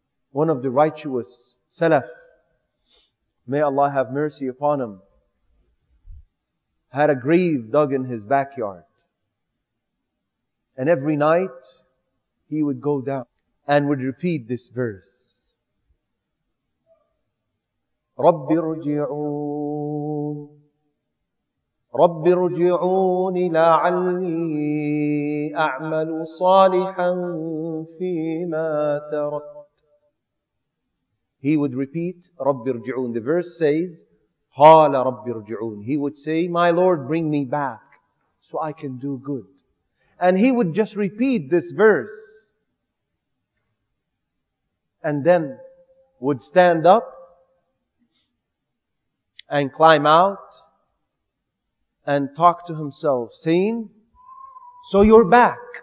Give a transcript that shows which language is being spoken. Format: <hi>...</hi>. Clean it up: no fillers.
<en>One of the righteous Salaf, may Allah have mercy upon him, had a grave dug in his backyard. And every night he would go down and would repeat this verse.</en> <ar>رَبِّ ارْجِعُونَ رب ارجعون لعلي أعمل صالحا فيما تركت.</ar> <en>He would repeat,</en> <ar>رب ارجعون.</ar> <en>The verse says,</en> <ar>قال رب ارجعون.</ar> <en>He would say, my Lord, bring me back so I can do good. And he would just repeat this verse and then would stand up and climb out and talk to himself, saying, so you're back.</en>